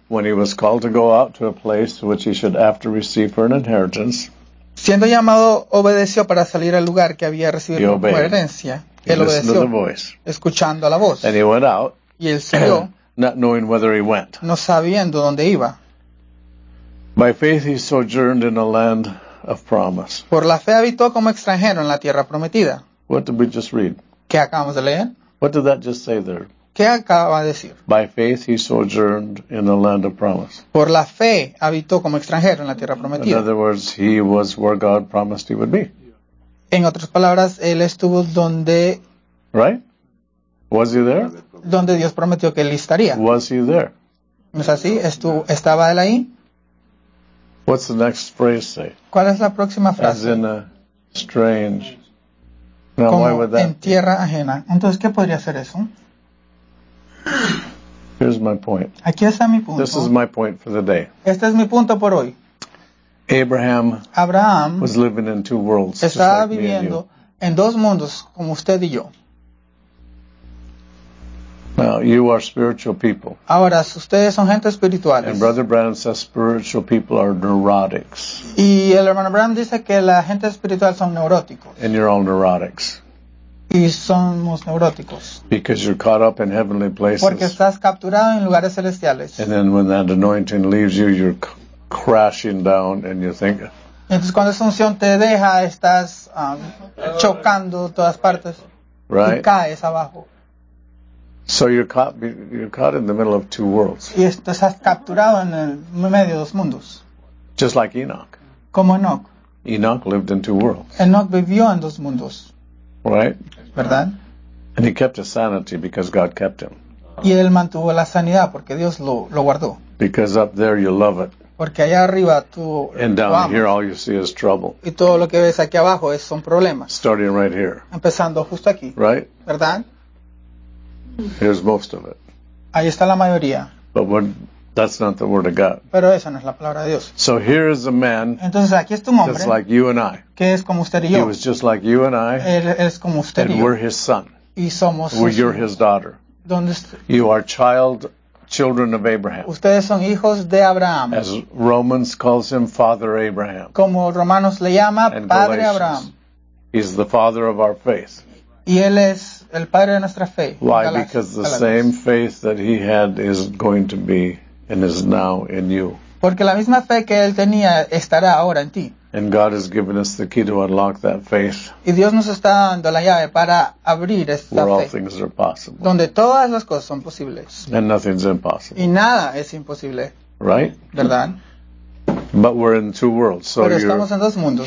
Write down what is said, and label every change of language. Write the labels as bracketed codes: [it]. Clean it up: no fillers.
[en] When he was called to go out to a place which he should after receive for an inheritance. [es] Siendo llamado, obedeció para salir al lugar que había recibido como herencia. [en] He [es] él obedeció. [en] To the voice. [es] Escuchando la voz. [en] And he went out. [es] Y él siguió. [en] Not knowing whether he went. [es] No sabiendo dónde iba. [en] By faith he sojourned in a land of promise. [es] Por la fe habitó como extranjero en la tierra prometida. [en] What did we just read? [es] ¿Qué acabamos de leer? [en] What did that just say there? [es] ¿Qué acaba de decir? [en] By faith he sojourned in the land of promise. [es] Por la fe habitó como extranjero en la tierra prometida. [en] In other words, he was where God promised he would be. [es] En otras palabras, él estuvo donde. [en] Right? Was he there? [es] Donde Dios prometió que él estaría. [en] Was he there? [es] ¿No es así? ¿Estaba él ahí? [en] What's the next phrase say? [es] ¿Cuál es la próxima frase? [en] As in a strange. Now, [es] como [en] why would that [es] en tierra ajena. Entonces, ¿qué podría ser eso? [en] Here's my point. [es] Aquí está mi punto. [en] This is my point for the day. [es] Este es mi punto por hoy. [en] Abraham was living in two worlds. [es] Estaba [en] just like [es] viviendo [en] me and you. [es] En dos mundos como usted y yo. [en] Now, you are spiritual people. [es] Ahora, ustedes son gente espiritual. [en] And Brother Branham says spiritual people are neurotics. [es] Y el hermano Branham dice que la gente espiritual son neuróticos. [en] And you're all neurotics. [es] Y somos neuróticos. [en] Because you're caught up in heavenly places. [es] Porque estás capturado en lugares celestiales. [en] And then when that anointing leaves you, you're crashing down and you think. [es] Entonces cuando esa unción te deja, estás chocando todas partes. [en] Right. [es] Y caes abajo. [en] So you're caught in the middle of two worlds. [es] Y estás capturado en el medio de dos mundos. [en] Just like Enoch. [es] Como Enoch. [en] Enoch lived in two worlds. [es] Enoch vivió en dos mundos. [en] Right? [es] ¿Verdad? [en] And he kept his sanity because God kept him. [es] Y él mantuvo la sanidad porque Dios lo guardó. [en] Because up there you love it. [es] Porque allá arriba tú [en] and down [es] amas. [en] Here all you see is trouble. [es] Y todo lo que ves aquí abajo son problemas. [en] Starting right here. [es] Empezando justo aquí. [en] Right? [es] ¿Verdad? [en] Here's most of it. [es] Ahí está la mayoría. [en] But that's not the word of God. [es] Pero esa no es la palabra de Dios. [en] So here is a man. [es] Entonces aquí es tu hombre. [en] Just like you and I. [es] Que es como usted y yo. [en] He was just like you and I. [es] Él es como usted y yo. [en] And we're his son. [es] Y somos [en] well, you're his daughter. [es] ¿Dónde [en] you are child children of Abraham. [es] Ustedes son hijos de Abraham. [en] As Romans calls him, Father Abraham. [es] Como Romanos le llama, Padre Abraham. [en] He's the father of our faith. [es] Y él es el padre de nuestra fe. [en] Why? Because the same faith that he had is going to be and is now in you. [es] Porque la misma fe que él tenía estará ahora en ti. [en] And God has given us the key to unlock that faith. [es] Y Dios nos está dando la llave para abrir esta [en] where All things are possible. [es] Donde todas las cosas son posibles. [en] And nothing's impossible. [es] Y nada es imposible. [en] Right? [es] ¿Verdad? [en] But we're in two worlds. So [es] pero estamos en dos mundos.